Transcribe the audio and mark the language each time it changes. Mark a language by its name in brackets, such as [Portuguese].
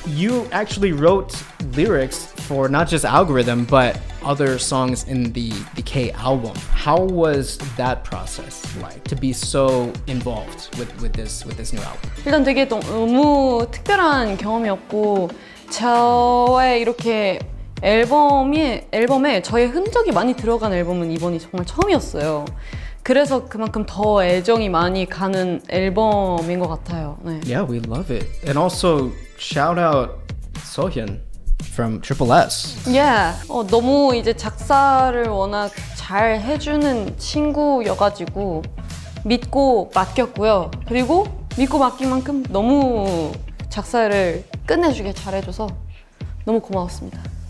[English] You actually wrote lyrics for not just Algorithm, but other songs in the K album. How was that process like to be so involved with this new album? [Korean] 일단 되게 너무 특별한 경험이었고 저의 이렇게 앨범에 저의 흔적이 많이 들어간 앨범은 이번이 정말 처음이었어요. 그래서 그만큼 더 애정이 많이 가는 앨범인 것 같아요. 네. [English] Yeah, we love it. And also shout out Sohyun from Triple S. Yeah. [Korean] 너무 이제 작사를 워낙 잘 해주는 친구여가지고 믿고 맡겼고요. 그리고 믿고 맡긴 만큼 너무 작사를 끝내주게 잘해줘서 너무 고마웠습니다.